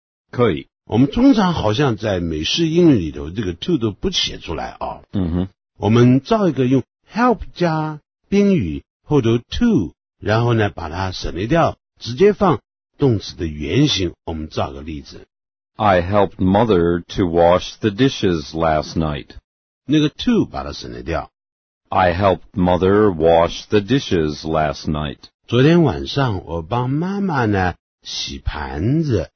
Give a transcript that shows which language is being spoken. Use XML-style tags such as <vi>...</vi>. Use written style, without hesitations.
<zh>可以，我们通常好像在美式英语里头这个 to 都不写出来啊。嗯哼，我们造一个用 help 加宾语后头 to， 然后呢把它省略掉，直接放动词的原形。我们造个例子，</zh> <en>I helped mother to wash the dishes last night，</en> <zh>那个 to 把它省略掉，</zh> <en>I helped mother wash the dishes last night，</en> <zh>昨天晚上我帮妈妈呢洗盘子。</zh>